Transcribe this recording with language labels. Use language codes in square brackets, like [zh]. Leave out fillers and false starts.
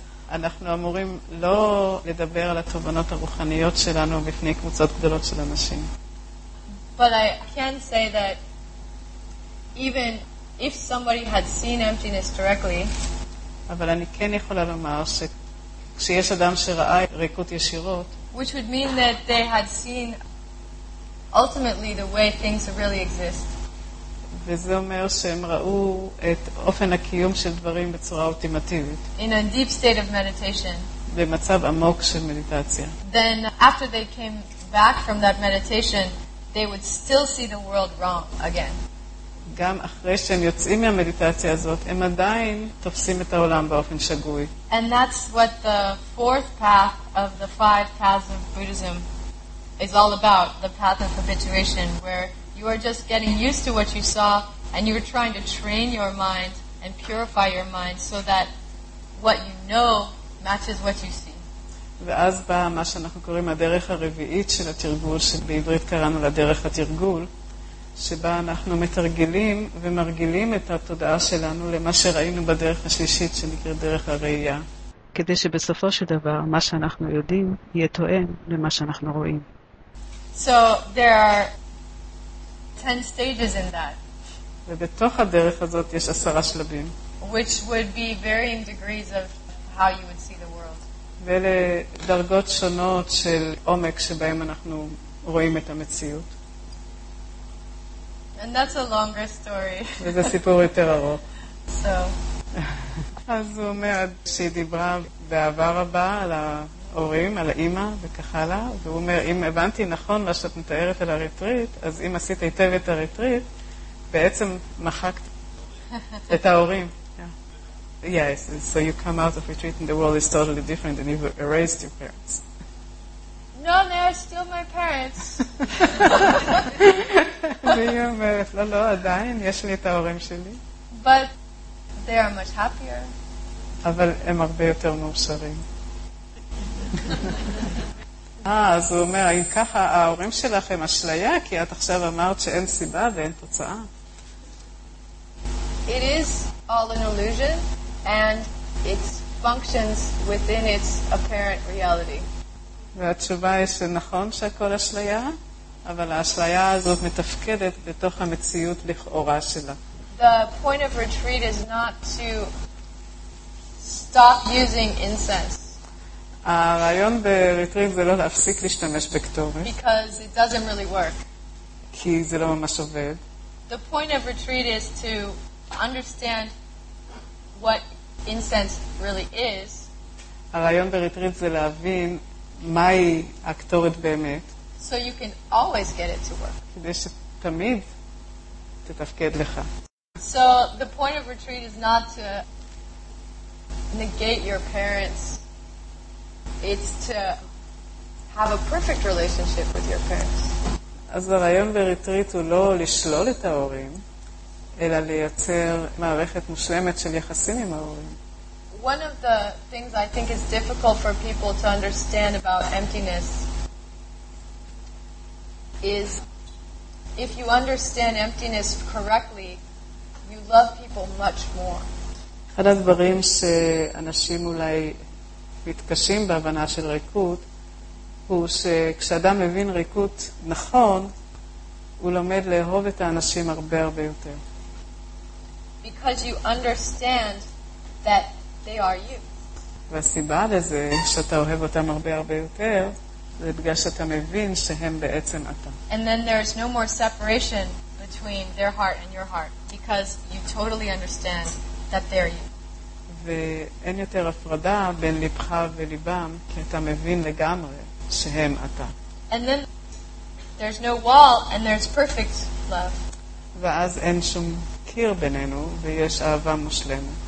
[he] אנחנו אמורים לא לדבר על התובנות הרוחניות שלנו בפני קבוצות גדולות של אנשים. [en] But I can say that even if somebody had seen emptiness directly, [he] אבל אני כן יכולה לומר שכשיש אדם שראה ריקות ישירות, [en] which would mean that they had seen ultimately the way things really exist. [he] וזה אומר שהם ראו את אופן הקיום של דברים בצורה אולטימטיבית. [en] In a deep state of meditation. [he] במצב עמוק של מדיטציה. [en] Then after they came back from that meditation, they would still see the world wrong again. [he] גם אחרי שהם יוצאים מהמדיטציה הזאת, הם עדיין תופסים את העולם באופן שגוי. [en] And that's what the fourth path of the five paths of Buddhism is all about, the path of habituation, where you are just getting used to what you saw and you're trying to train your mind and purify your mind so that what you know matches what you see. [he] ואז בא מה שאנחנו קוראים הדרך הרביעית של התרגול, שבעברית קראנו לדרך התרגול, שבה אנחנו מתרגלים ומרגילים את התודעה שלנו למה שראינו בדרך השלישית שנקרא דרך הראייה. כדי שבסופו של דבר מה שאנחנו יודעים יהיה תואם למה שאנחנו רואים. [en] So there are 10 stages in that. [he] ובתוך הדרך הזאת יש 10 שלבים. [en] Which would be varying degrees of how you would see the world. [he] ואלה דרגות שונות של עומק שבהם אנחנו רואים את המציאות. [en] And that's a longer story. [he] וזה סיפור יותר ארוך. [en] So. [he] אז הוא אומר שהיא דיברה באהבה רבה על ההורים, על האמא וכך הלאה. והוא אומר, אם הבנתי נכון מה שאת מתארת על הריטריט, אז אם עשית היטב את הריטריט, בעצם מחקת את ההורים. [en] Yeah. Yes, so you come out of retreat and the world is totally different and you've erased your parents. No, they are still my parents. [he] והיא אומרת, לא, לא, עדיין, יש לי את ההורים שלי. [en] But they are much happier. [he] אבל הם הרבה יותר מאושרים. אז הוא אומר, אם ככה ההורים שלך הם אשליה, כי את עכשיו אמרת שאין סיבה ואין תוצאה. [en] It is all an illusion, and it functions within its apparent reality. [he] והתשובה היא שנכון שהכל אשליה, אבל האשליה הזאת מתפקדת בתוך המציאות לכאורה שלה. [en] The point of retreat is not to stop using incense. [he] הרעיון בריטריט זה לא להפסיק להשתמש בקטורת. [en] Because it doesn't really work. [he] כי זה לא ממש עובד. [en] The point of retreat is to understand what incense really is. [he] הרעיון בריטריט זה להבין מהי הקטורת באמת. [en] So you can always get it to work. [he] כדי שתמיד תתפקד לך. [en] So the point of retreat is not to negate your parents. It's to have a perfect relationship with your parents. [he] אז הרעיון בריטריט הוא לא לשלול את ההורים, אלא לייצר מערכת מושלמת של יחסים עם ההורים. [en] One of the things I think is difficult for people to understand about emptiness is if you understand emptiness correctly, you love people much more. [he] אחד הדברים שאנשים אולי מתקשים בהבנה של ריקות, הוא שכשאדם מבין ריקות נכון, הוא לומד לאהוב את האנשים הרבה הרבה יותר. [en] Because you understand that they are you. [he] והסיבה לזה שאתה אוהב אותם הרבה הרבה יותר, זה בגלל שאתה מבין שהם בעצם אתה. [en] And then there is no more separation between their heart and your heart, because you totally understand that they are you. [he] ואין יותר הפרדה בין ליבך וליבם, כי אתה מבין לגמרי שהם אתה. [en] And then there's no wall and there's perfect love. [he] ואז אין שום קיר בינינו ויש אהבה מושלמת.